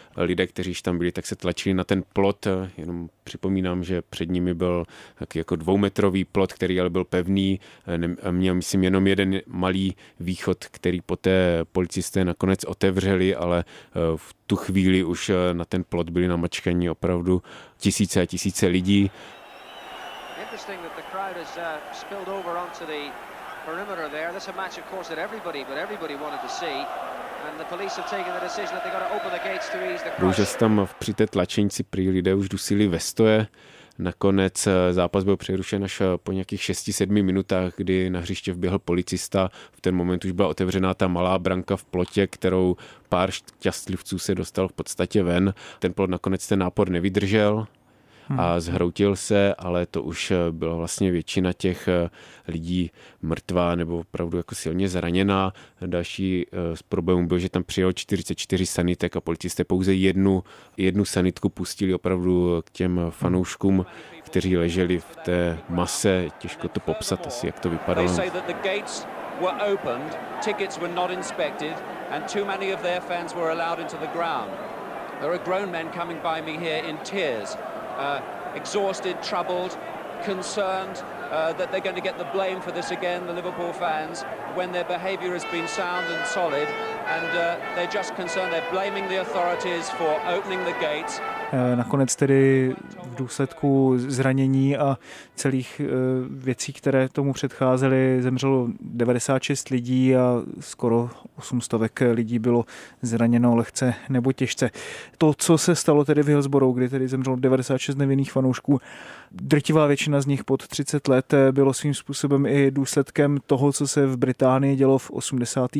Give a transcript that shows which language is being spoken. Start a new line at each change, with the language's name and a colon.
Czech: Lidé, kteří tam byli, tak se tlačili na ten plot. Jenom připomínám, že před nimi byl taky jako dvoumetrový plot, který ale byl pevný. Měl, myslím, jenom jeden malý východ, který poté policisté nakonec otevřeli, ale v tu chvíli už na ten plot byli namačkaní opravdu tisíce a tisíce lidí.
English: Interesting that the crowd has spilled over onto the perimeter there. This is a match, of course, that everybody, but everybody wanted to see. And the police have taken the decision that they got to open the gates to ease the crowd.
Czech: Bohužel tam při té tlačenici prý lidé už dusili ve stoje. Nakonec zápas byl přerušen až po nějakých 6-7 minutách, kdy na hřiště vběhl policista. V ten moment už byla otevřená ta malá branka v plotě, kterou pár šťastlivců se dostal v podstatě ven. Ten plot nakonec ten nápor nevydržel a zhroutil se, ale to už byla vlastně většina těch lidí mrtvá nebo opravdu jako silně zraněná. Další z problémů byl, že tam přijelo 44 sanitek a policisté pouze jednu sanitku pustili opravdu k těm fanouškům, kteří leželi v té mase. Těžko to popsat asi, jak to vypadalo.
English: Were opened, tickets were not inspected and too many of their fans were allowed into the ground. There are grown men coming by me here in tears. Exhausted, troubled, concerned that they're going to get the blame for this again, the Liverpool fans, when their behaviour has been sound and solid, and they're just concerned, they're blaming the authorities for opening the gates.
Czech: Nakonec tedy v důsledku zranění a celých věcí, které tomu předcházely, zemřelo 96 lidí a skoro 800 lidí bylo zraněno lehce nebo těžce. To, co se stalo tedy v Hillsborough, kdy tedy zemřelo 96 nevinných fanoušků, drtivá většina z nich pod 30 let, bylo svým způsobem i důsledkem toho, co se v Británii dělo v 80.